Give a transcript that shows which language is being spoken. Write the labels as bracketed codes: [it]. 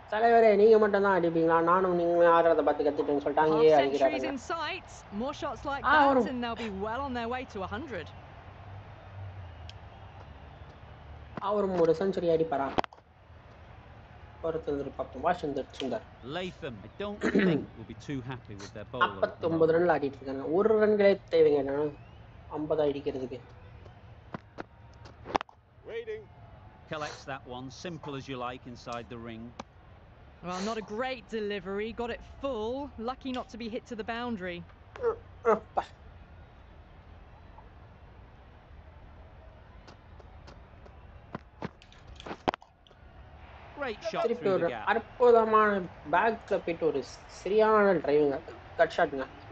[ta] தலைவரே நீங்க மட்டும் தான் அடிப்பீங்களா, நானும் நீங்க ஆடுறத பார்த்து கத்துட்டேன்னு சொல்லிட்டு அங்கேயே அடிக்கிறாங்க. [en] More shots like that and they'll be well on their way to 100. [ta] அவரும் ஒரு செஞ்சுரி அடிப்பாரா? பொறுத்து பார்ப்போம். Washington Sundar [en] Latham I don't think will be too happy with their bowler. [ta] 59 ரன்ல அடிட்டு இருக்காங்க. 1 ரன்களே தேவைங்க நான் 50 அடிக்கிறதுக்கு. [en] Waiting collects that one simple as you like inside the ring. Well, not a great delivery, got it full, lucky not to be hit to the boundary. Great shot through the gap. [ta] அற்புதமான back கிளப்பிட்டு ஒரு சரியான டிரைவிங்க cut ஷாட்ங்க.